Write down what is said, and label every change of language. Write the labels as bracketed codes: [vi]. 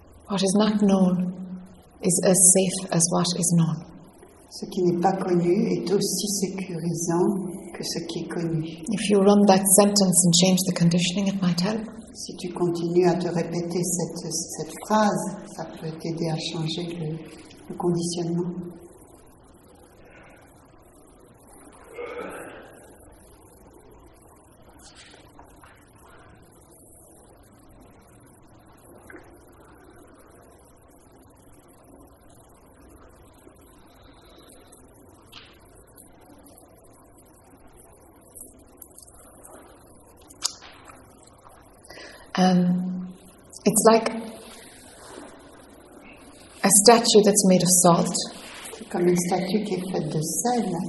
[en] What is not known is as safe as what is known. [fr] Ce qui n'est pas connu est aussi sécurisant que ce qui est connu. [en] If you run that sentence and change the conditioning, it might help. [fr] Si tu continues à te répéter cette phrase, ça peut t'aider à changer le conditionnement. [en] It's like a statue that's made of salt. [fr] Comme une statue qui est faite de sel.